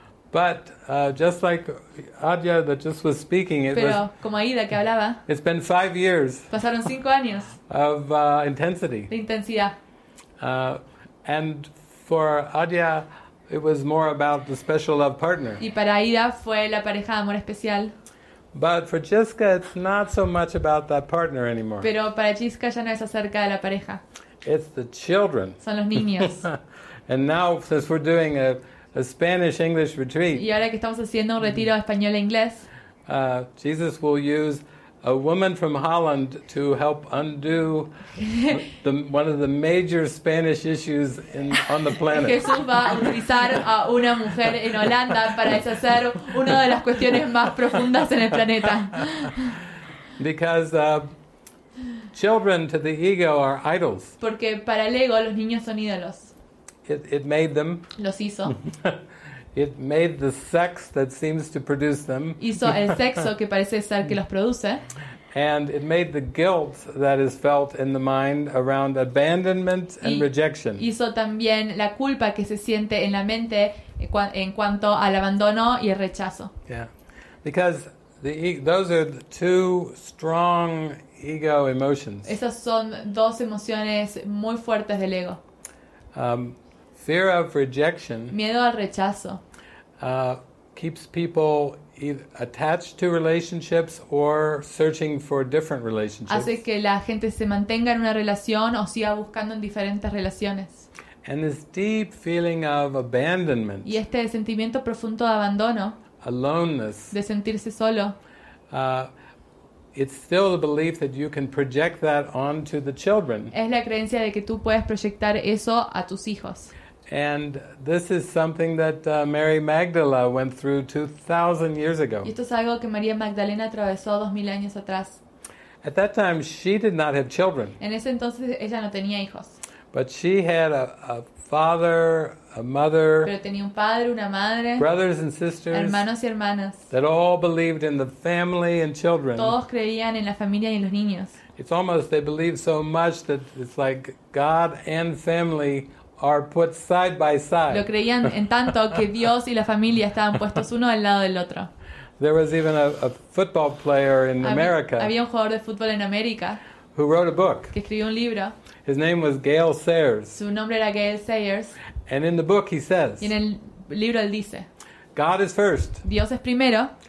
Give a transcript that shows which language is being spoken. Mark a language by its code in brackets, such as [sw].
[en] But just like Adya that just was speaking, [es] como Aida que hablaba, [en] it's been 5 years. [es] Pasaron 5 años. [en] Of intensity. [es] De intensidad. [en] And for Adya, it was more about the special love partner. [es] Y para Aida fue la pareja de amor especial. [en] But for Jiska, it's not so much about that partner anymore. [es] Pero para Jiska ya no es acerca de la pareja. [en] It's the children. [es] Son los niños. [en] And now, since we're doing a Spanish-English retreat. [es] Y ahora que estamos haciendo un retiro español-inglés. [en] Jesus will use a woman from Holland to help undo one of the major Spanish issues on the planet. [es] Jesús va a utilizar a una mujer en Holanda para deshacer una de las cuestiones más profundas en el planeta. [en] Because children to the ego are idols. [es] Porque para el ego los niños son ídolos. [en] It made them. [es] Los hizo. [en] It made the sex that seems to produce them. [es] Hizo el sexo que parece ser que los produce. [en] And it made the guilt that is felt in the mind around abandonment and rejection. [es] Hizo también la culpa que se siente en la mente en cuanto al abandono y el rechazo. [en] Yeah, because those are the two strong ego emotions. [es] Esas son dos emociones muy fuertes del ego. [en] Fear of rejection. [es] Miedo al rechazo. [en] keeps people attached to relationships or searching for different relationships. [es] Hace que la gente se mantenga en una relación o siga buscando en diferentes relaciones. [en] And this deep feeling of abandonment. [es] Y este sentimiento profundo de abandono. [en] Aloneness. [es] De sentirse solo. [en] It's still the belief that you can project that onto the children. [es] Es la creencia de que tú puedes proyectar eso a tus hijos. [en] And this is something that Mary Magdalena went through 2,000 years ago. [es] Y esto es algo que María Magdalena atravesó 2,000 años atrás. [en] At that time, she did not have children. [es] En ese entonces, ella no tenía hijos. [en] But she had a father, a mother, [es] pero tenía un padre, una madre, [en] brothers and sisters, [es] hermanos y hermanas, [en] that all believed in the family and children. [es] Todos creían en la familia y en los niños. [en] It's almost they believed so much that it's like God and family are put side by side. [es] Lo creían en tanto que Dios y la familia estaban puestos uno al lado del otro. [en] There was even a football player in America. [es] Había un jugador de fútbol en América. [en] Who wrote a book? [es] Que escribió un libro. [en] His name was Gale Sayers. [es] Su nombre era Gale Sayers. [en] And in the book he says. [es] Y en el libro él dice. [en] God is first. [es] Dios es primero.